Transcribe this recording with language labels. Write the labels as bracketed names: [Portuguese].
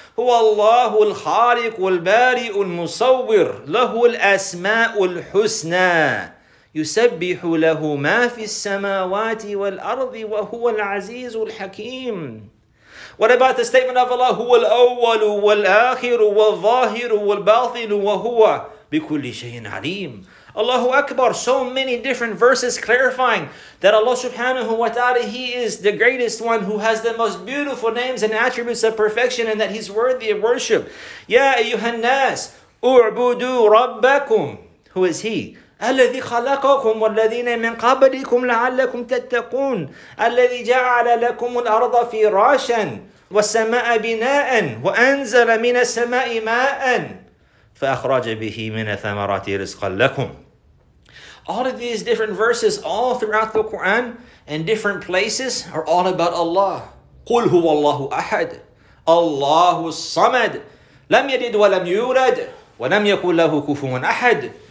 [Arabic] هو الله الخالق والبارئ المصور له الأسماء الحسنى يسبح له ما في السماوات والأرض وهو العزيز الحكيم. [English] What about the statement of Allah, [Arabic] هو الأول والآخر والظاهر والباطن وهو بكل شيء عليم. [English] Allahu Akbar, so many different verses clarifying that Allah subhanahu wa ta'ala, He is the greatest one who has the most beautiful names and attributes of perfection, and that He's worthy of worship. [Arabic] Ya ayyuhan nas, u'budu rabbakum. [English] Who is He? [Arabic] الذي خلقكم والذين من قبلكم لعلكم تتقون الذي جعل لكم الأرض فراشا والسماء بناء وأنزل من السماء ماء فأخرج به من الثمرات رزقا لكم. [English] All of these different verses all throughout the Quran and different places are all about Allah. [Arabic] قل هو الله أحد الله الصمد لم يلد ولم يولد ولم يكن له كفوا أحد.